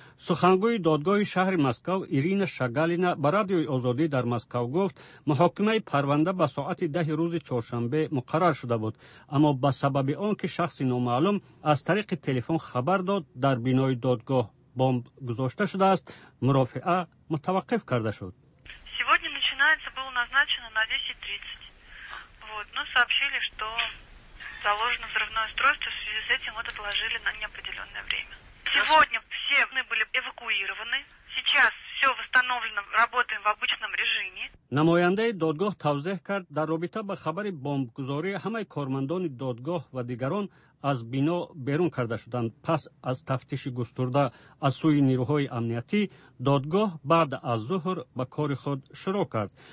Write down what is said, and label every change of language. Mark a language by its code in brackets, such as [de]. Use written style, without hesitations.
[fa] سخنگوی دادگاه شهر مسکو ایرینا شگالینا به رادیوی آزادی در مسکو گفت محاکمه پرونده به ساعت 10 روز چهارشنبه مقرر شده بود، اما به سبب آن که شخص نامعلوم از طریق تلفن خبر داد در بنای دادگاه بمب گذاشته شده است، مرافعه متوقف کرده شد. [ru] Заложено взрывное устройство, в связи с этим вот отложили на неопределенное время. Сегодня все мы были эвакуированы. [fa] نماینده دادگاه توضیح کرد در رابطه با خبر بمبگذاری همه کارمندان دادگاه و دیگران از بنا بیرون کرده شدند. پس از تفتیش گسترده از سوی نیروهای امنیتی دادگاه بعد از ظهر به کار خود شروع کرد.